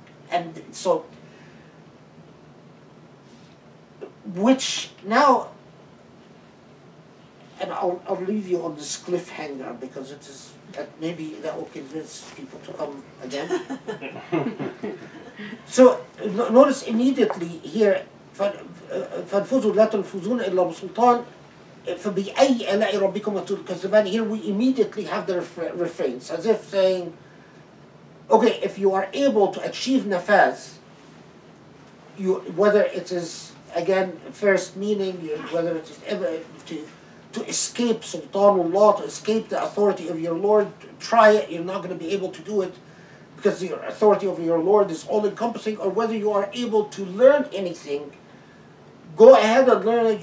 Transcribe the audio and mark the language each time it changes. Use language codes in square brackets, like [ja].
[en] And so, which now, and I'll leave you on this cliffhanger, because it is, that maybe that will convince people to come again. So notice immediately here, [ar] فَانْفُزُوا لَا تَنْفُزُونَ إِلَّا بِسُلْطَانٍ فَبِأَيِّ آلَاءِ رَبِّكُمَا تُكَذِّبَانِ. [en] Here we immediately have the refrain, as if saying, okay, if you are able to achieve nafaz, whether it is, again, first meaning, whether it is ever to to escape Sultanullah, to escape the authority of your Lord, try it, you're not going to be able to do it because the authority of your Lord is all-encompassing, or whether you are able to learn anything, go ahead and learn it.